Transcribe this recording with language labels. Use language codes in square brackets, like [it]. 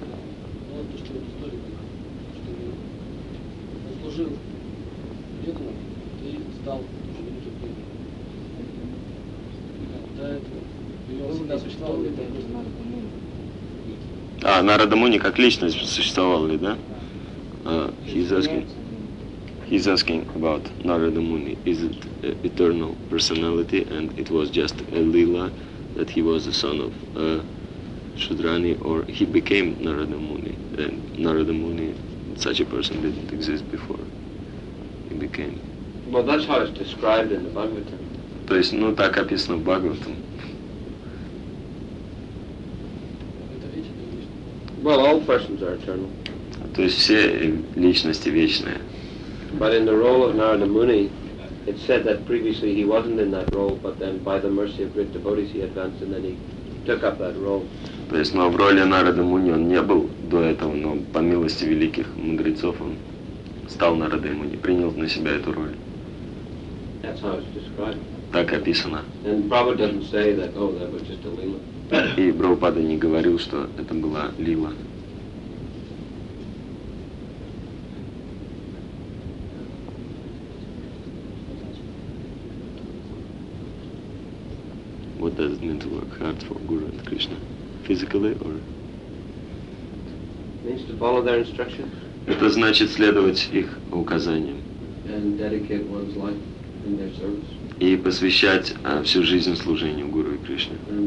[ru] Ну, то, что вот история, что он служил ведьму и стал уже великим ведьмом. До этого, его всегда существовал ведьмом. А, Нарада Муни как личность существовал ли, да? [en] He's asking about Narada Muni. Is it an eternal personality and it was just a Leela that he was the son of Shudrani or he became Narada Muni? And Narada Muni, such a person didn't exist before. He became. Well, that's how it's described in the Bhagavatam. [ru] То есть, ну так описано в Бхагаватам. [en] Well, all persons are eternal. [ru] То есть все личности вечные. [en] But in the role of Narada Muni, it said that previously he wasn't in that role, but then by the mercy of great devotees he advanced and then he took up that role. [ru] То есть, но в роли Нарада Муни он не был до этого, но по милости великих мудрецов он стал Нарада Муни, принял на себя эту роль. [en] That's how it's described. [ru] Так описано. [en] And Prabhupada doesn't say that, oh, that was just a lila. [ru] И Прабхупада не говорил, что это была лила. [en] What does it mean to work hard for Guru and Krishna? Physically or? It means to follow their instructions. [ru] Это значит следовать их указаниям. [en] And dedicate one's life in their service. [ru] И посвящать всю жизнь служению Гуру и Кришне.